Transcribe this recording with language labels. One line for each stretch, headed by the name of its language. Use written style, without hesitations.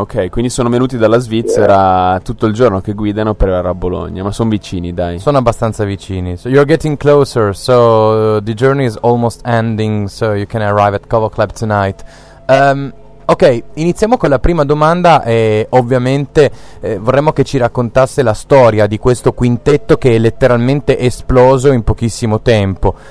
Italian: Okay, quindi sono venuti dalla Svizzera, tutto il giorno che guidano per arrivare a Bologna, ma sono vicini, dai. Sono abbastanza vicini.
English: So you're getting closer. So the journey is almost ending, so you can arrive at Cavo Club tonight.
Italian: Ok, iniziamo con la prima domanda e ovviamente vorremmo che ci raccontasse la storia di questo quintetto che è letteralmente esploso in pochissimo tempo.